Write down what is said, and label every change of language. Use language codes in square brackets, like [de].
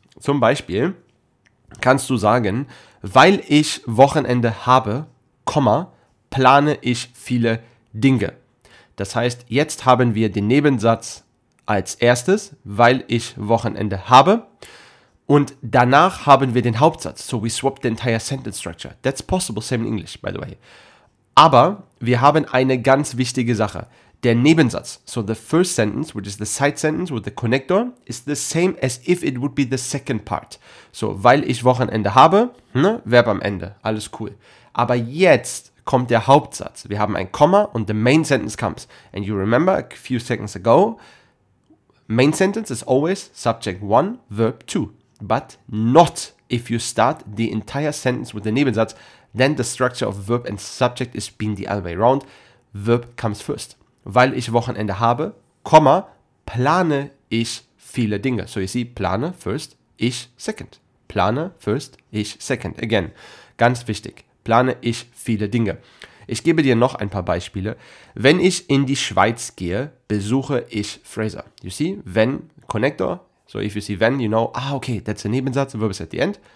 [de] Zum Beispiel kannst du sagen, weil ich Wochenende habe, Komma, plane ich viele Dinge. Das heißt, jetzt haben wir den Nebensatz als erstes, weil ich Wochenende habe. Und danach haben wir den Hauptsatz. [en] So we swap the entire sentence structure. That's possible, same in English, by the way. [de] Aber wir haben eine ganz wichtige Sache. Der Nebensatz, [en] so the first sentence, which is the side sentence with the connector, is the same as if it would be the second part. [de] So, weil ich Wochenende habe, ne? Verb am Ende, alles cool. Aber jetzt kommt der Hauptsatz. Wir haben ein Komma und [en] the main sentence comes. And you remember a few seconds ago, main sentence is always subject 1, verb 2. But not if you start the entire sentence with the Nebensatz, then the structure of verb and subject is being the other way around. Verb comes first. [de] Weil ich Wochenende habe, Komma, plane ich viele Dinge. [en] So you see, plane first, ich second. Plane first, ich second. Again, [de] ganz wichtig. Plane ich viele Dinge. Ich gebe dir noch ein paar Beispiele. Wenn ich in die Schweiz gehe, besuche ich Fraser. [en] You see, wenn, connector. So if you see when, you know, ah, okay, that's a Nebensatz, verb is at the end.